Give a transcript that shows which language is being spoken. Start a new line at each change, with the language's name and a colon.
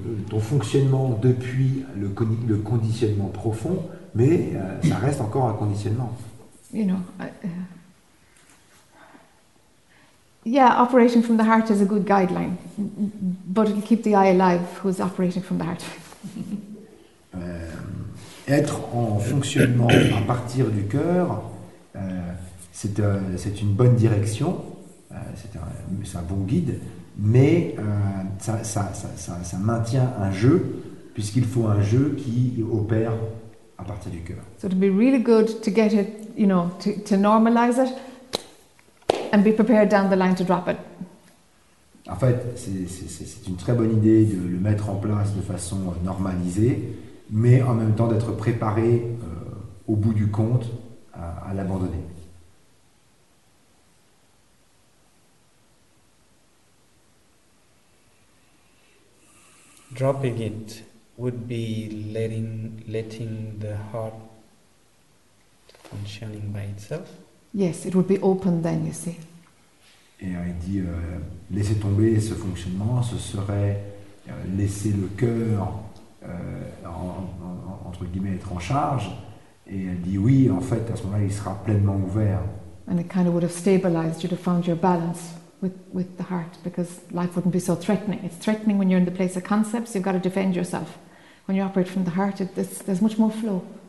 French: Ton fonctionnement depuis le conditionnement profond, mais ça reste encore un conditionnement.
English: You know, operating from the heart is a good guideline, but it'll keep the eye alive who's operating from the heart.
French: Être en fonctionnement à partir du cœur, c'est une bonne direction, c'est un bon guide. Mais ça maintient un jeu, puisqu'il faut un jeu qui opère à partir du cœur.
English: So it'd be really good to get it, you know, to normalize it, and be prepared down the line to drop it.
French: En fait, c'est une très bonne idée de le mettre en place de façon normalisée, mais en même temps d'être préparé au bout du compte à l'abandonner.
English: Dropping it would be letting the heart functioning by itself. Yes, it would be open then, you see.
French: Et il dit, laisser tomber ce fonctionnement, ce serait laisser le cœur, entre guillemets, être en charge. Et elle dit, oui, en fait, à ce moment-là, il sera pleinement ouvert.
English: And it kind of would have stabilized, you'd have found your balance with the heart, because life wouldn't be so threatening. It's threatening when you're in the place of concepts, you've got to defend yourself. When you operate from the heart, there's much more flow.